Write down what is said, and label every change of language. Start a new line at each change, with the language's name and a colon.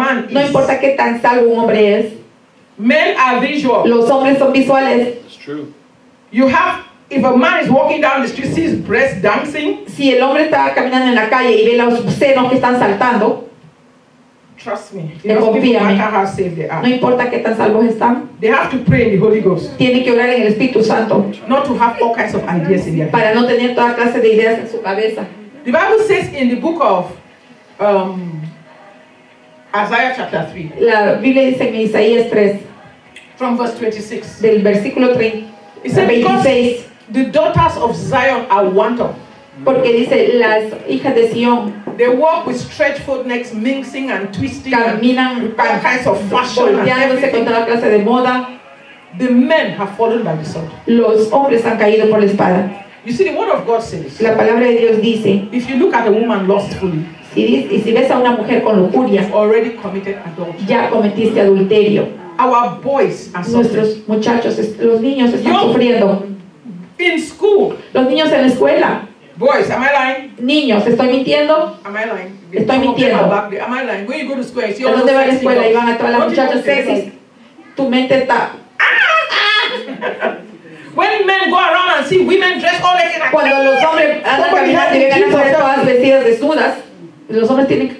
Spanish: No importa qué tan salvo un hombre es.
English: Men are visual.
Spanish: Los hombres son visuales.
English: It's true. You have, if a man is walking down the street, sees breast dancing.
Spanish: Si el hombre está caminando en la calle y ve los senos que están saltando.
English: Trust me. No
Spanish: importa qué tan salvos están.
English: They have to pray in the Holy Ghost.
Spanish: Tienen que orar en el Espíritu Santo.
English: Not to have all kinds of ideas in their head.
Spanish: Para no tener toda clase de ideas en su cabeza.
English: The Bible says in the book of Isaiah chapter 3.
Spanish: La Biblia dice en Isaías 3.
English: From verse 26.
Spanish: Del versículo 26.
English: It says, the daughters of Zion are wanton.
Spanish: Porque dice las hijas de Sion.
English: They walk with stretched foot necks, mincing and twisting.
Spanish: Caminan
English: all kinds of fashion.
Spanish: Volteándose con toda clase de moda.
English: The men have fallen by the sword.
Spanish: Los hombres han caído por la espada.
English: You see, the word of God says.
Spanish: La palabra de Dios dice.
English: If you look at a woman lustfully,
Spanish: si ves a una mujer con lujuria,
English: you've already committed adultery.
Spanish: Ya cometiste adulterio.
English: Our boys are suffering.
Spanish: Nuestros muchachos, los niños están sufriendo.
English: In school.
Spanish: Los niños en la escuela.
English: Boys, am I lying?
Spanish: Niños, estoy mintiendo.
English: Am I lying?
Spanish: Estoy mintiendo.
English: Am I lying? When you go to school, you see.
Spanish: ¿Dónde va a la escuela? Y van a todas las muchachas sexys. Tu mente está.
English: When men go around and see women dressed all naked,
Spanish: cuando los hombres andan caminando y ven a las mujeres todas vestidas desnudas, los hombres tienen que